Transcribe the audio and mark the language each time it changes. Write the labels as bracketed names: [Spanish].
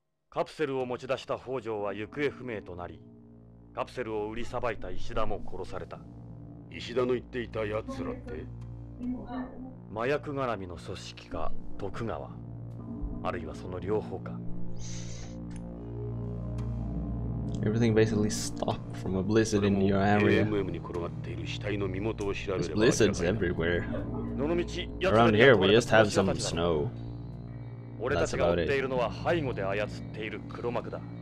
[Japanese] カプセルを持ち出した北条は行方不明となり、カプセルを売りさばいた石田も殺された。石田の言っていた奴らって？麻薬絡みの組織か徳川、あるいはその両方か。 [English] Everything basically stopped from a blizzard in your area. [Japanese] AMM に転がっている死体の身元を調べれば。 [English] Blizzards everywhere. [Japanese] どの道、 [English] Around here we just have some snow. [Japanese] 俺たちが追っているのは背後で操っている黒幕だ。